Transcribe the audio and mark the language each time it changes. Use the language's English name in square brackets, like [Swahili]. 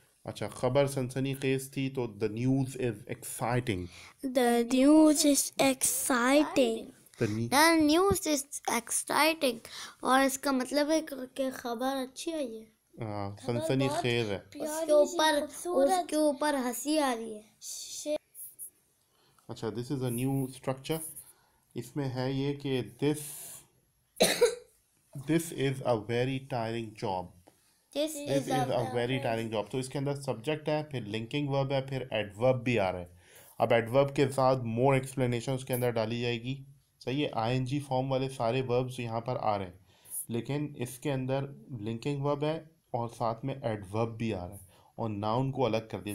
[Urdu] اچھا, خبر سنسنی خیز تھی تو [English] The news is exciting. The news is exciting. The news is exciting [Urdu] اور اس کا مطلب ہے کہ خبر اچھی ہے. یہ سنسنی خیز ہے, اس کے اوپر ہنسی آ رہی ہے. [English] اچھا, this is a new structure. [Urdu] اس میں ہے یہ کہ [English] This is a very tiring job. This is a very tiring job. [Urdu] تو اس کے اندر سبجیکٹ ہے, پھر لنکنگ ورب ہے, پھر ایڈورب بھی آ رہا ہے. اب ایڈورب کے ساتھ مور ایکسپلینیشن اس کے اندر ڈالی جائے گی. صحیح ہے. آئی این جی فارم والے سارے وربس یہاں پر آ رہے ہیں, لیکن اس کے اندر لنکنگ ورب ہے اور ساتھ میں ایڈورب بھی آ رہا ہے اور ناؤن کو الگ کر دیا.